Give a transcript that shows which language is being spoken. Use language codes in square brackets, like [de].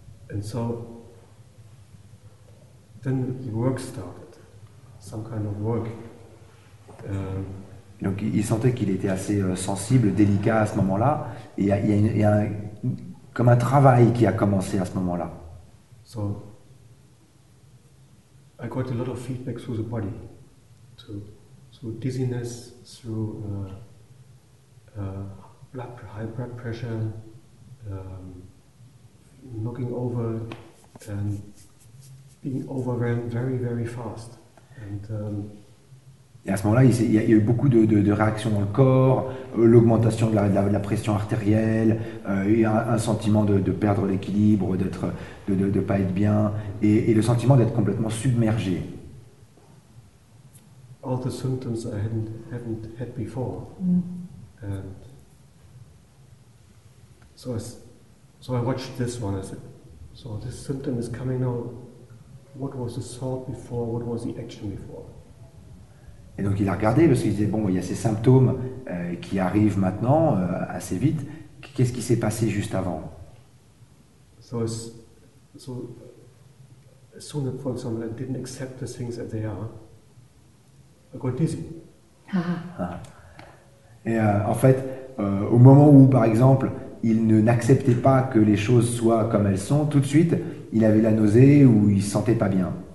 [en] And so then the work started, some kind of work. [fr] Donc il sentait qu'il était assez sensible, délicat à ce moment-là, et il y a comme un travail qui a commencé à ce moment-là. [en] So I got a lot of feedback through the body, through dizziness, through high blood pressure. Looking over and being overwhelmed very, very fast. [fr] Et à ce moment-là, il y a eu beaucoup de réactions dans le corps, l'augmentation de la pression artérielle, un sentiment de perdre l'équilibre, de pas être bien, et le sentiment d'être complètement submergé. [en] All the symptoms I hadn't had before. Mm. And so I watched this one. I said, so this symptom is coming now. What was the thought before? What was the action before? [fr] Et donc il a regardé parce qu'il disait, bon, il y a ces symptômes qui arrivent maintenant assez vite. Qu'est-ce qui s'est passé juste avant? [en] So as soon as, for example, I didn't accept the things that they are, I got dizzy. [fr] Et en fait, au moment où, par exemple, il ne n'acceptait pas que les choses soient comme elles sont. Tout de suite, il avait la nausée ou il ne se sentait pas bien.